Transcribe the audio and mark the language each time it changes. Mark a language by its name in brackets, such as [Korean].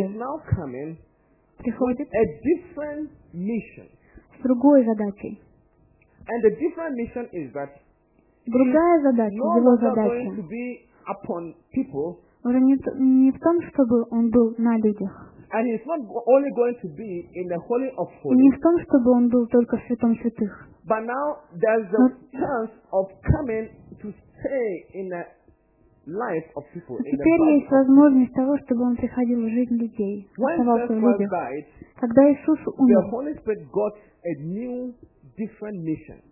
[English] is now coming [Russian] приходит [English] with a different mission. [Russian] С другой задачей. [English] And the different mission is that [Russian] Другая задача, его задача [English] going to be upon people, [Russian] уже не в том, чтобы Он был на людях. [English] And he's not only going to be in the Holy of Holies. [Russian] Не в том, чтобы он был только в Святом Святых. [English] But now there's a chance of coming to stay in the life of people. [Russian] Теперь есть возможность того, чтобы он приходил в жизнь людей, оставался в людях. Когда Иисус умер, [English] the Holy Spirit got a new, different mission.